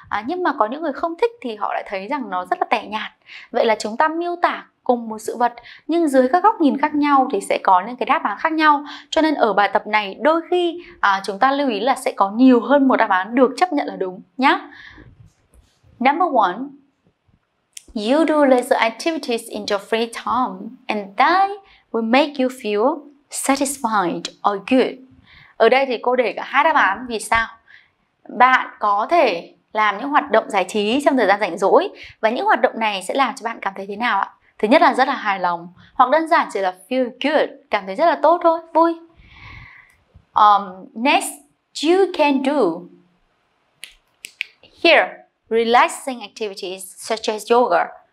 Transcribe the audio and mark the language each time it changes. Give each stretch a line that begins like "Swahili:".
Vietnamese: Nhưng mà có những người không thích thì họ lại thấy rằng nó rất là tẻ nhạt. Vậy là chúng ta miêu tả cùng một sự vật nhưng dưới các góc nhìn khác nhau thì sẽ có những cái đáp án khác nhau. Cho nên ở bài tập này đôi khi chúng ta lưu ý là sẽ có nhiều hơn một đáp án được chấp nhận là đúng nhá.
English: Number one, you do leisure activities in your free time and that will make you feel satisfied or good.
Vietnamese: Ở đây thì cô để cả hai đáp án. Vì sao? Bạn có thể làm những hoạt động giải trí trong thời gian rảnh rỗi và những hoạt động này sẽ làm cho bạn cảm thấy thế nào ạ? Thứ nhất là rất là hài lòng, hoặc đơn giản chỉ là
English: feel good,
Vietnamese: cảm thấy rất là tốt thôi, vui.
English: Next, you can do here relaxing activities such as yoga.